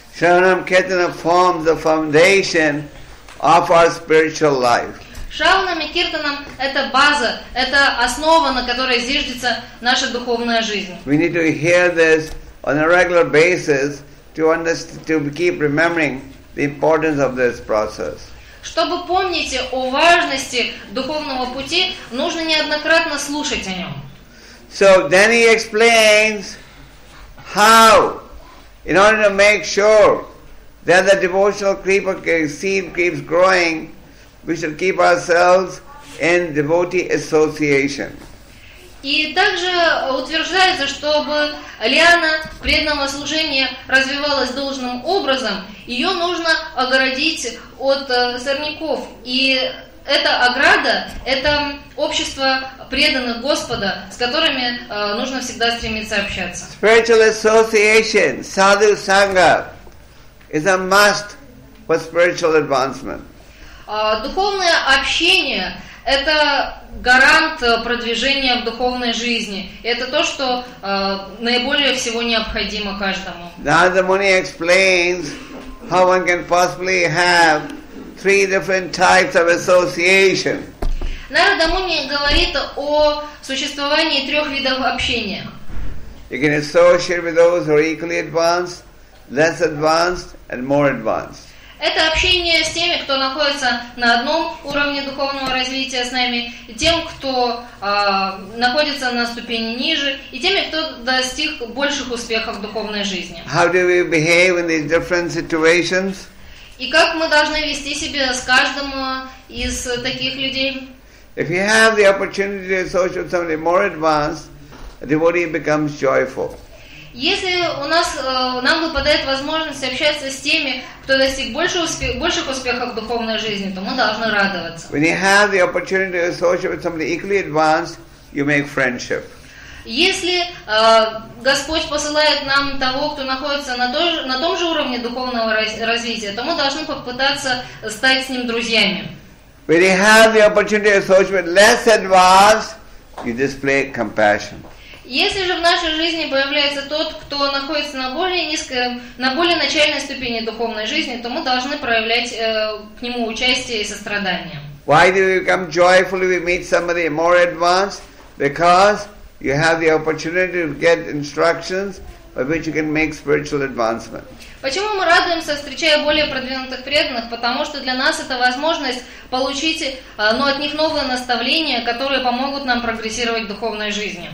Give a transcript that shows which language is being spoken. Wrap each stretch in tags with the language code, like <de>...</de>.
<en>Шраванам Киртанам forms the foundation of our spiritual life.</en> <ru>Шраванам Киртанам – это база, это основа, на которой зиждется наша духовная жизнь.</ru> <en>We need to hear this on a regular basis to understand, to keep remembering the importance of this process.</en> <ru>Чтобы помнить о важности духовного пути, нужно неоднократно слушать о нем.</ru> <en>So then he explains how, in order to make sure that the devotional creeper seed keeps growing, we should keep ourselves in devotee association.</en> <ru>И также утверждается, чтобы лиана преданного служения развивалась должным образом, ее нужно огородить от сорняков. И эта ограда – это общество преданных Господа, с которыми нужно всегда стремиться общаться.</ru> <en>Spiritual association, sadhu sangha, is a must for spiritual advancement.</en> <ru>Духовное общение – это гарант продвижения в духовной жизни. Это то, что наиболее всего необходимо каждому.</ru> <en>Narada Muni explains how one can possibly have three different types of association.</en> <ru>Narada Muni говорит о существовании трех видов общения.</ru> <en>You can associate with those who are equally advanced, less advanced, and more advanced.</en> <ru>Это общение с теми, кто находится на одном уровне духовного развития с нами, и тем, кто находится на ступени ниже, и теми, кто достиг больших успехов в духовной жизни.</ru> <en>How do we behave in these different situations?</en> <ru>И как мы должны вести себя с каждым из таких людей?</ru> <en>If you have the opportunity to associate with somebody more advanced, a devotee becomes joyful.</en> <ru>Если у нас нам выпадает возможность общаться с теми, кто достиг больших успехов в духовной жизни, то мы должны радоваться.</ru> <en>When you have the opportunity to associate with somebody equally advanced, you make friendship.</en> <ru>Если Господь посылает нам того, кто находится на том же уровне духовного развития, то мы должны попытаться стать с ним друзьями.</ru> <en>When you have the opportunity to associate with less advanced, you display compassion.</en> <ru>Если же в нашей жизни появляется тот, кто находится на более низкой, на более начальной ступени духовной жизни, то мы должны проявлять к нему участие и сострадание.</ru> <en>Why do you become joyful if you meet somebody more advanced? Because you have the opportunity to get instructions by which you can make spiritual advancement.</en> <ru>Почему мы радуемся, встречая более продвинутых преданных? Потому что для нас это возможность получить от них новые наставления, которые помогут нам прогрессировать в духовной жизни.</ru>